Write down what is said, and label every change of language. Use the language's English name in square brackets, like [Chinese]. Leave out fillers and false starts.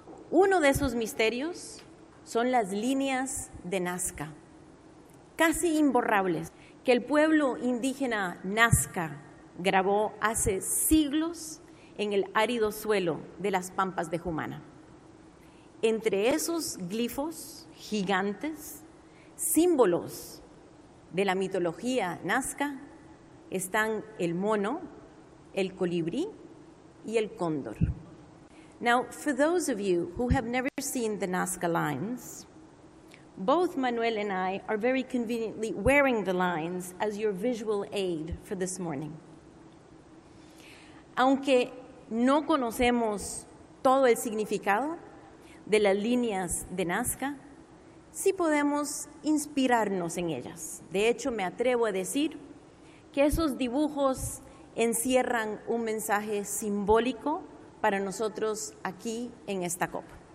[Spanish] Uno de esos misterios son las líneas de Nazca, casi imborrables, que el pueblo indígena Nazca grabó hace siglos en el árido suelo de las pampas de Jumana. Entre esos glifos gigantes, símbolos de la mitología Nazca, están el mono, el colibrí y el cóndor. [English] Now, for those of you who have never seen the Nazca lines, both Manuel and I are very conveniently wearing the lines as your visual aid for this morning. [Spanish] Aunque no conocemos todo el significado de las líneas de Nazca, sí podemos inspirarnos en ellas. De hecho, me atrevo a decir que esos dibujos encierran un mensaje simbólico para nosotros aquí en esta copa.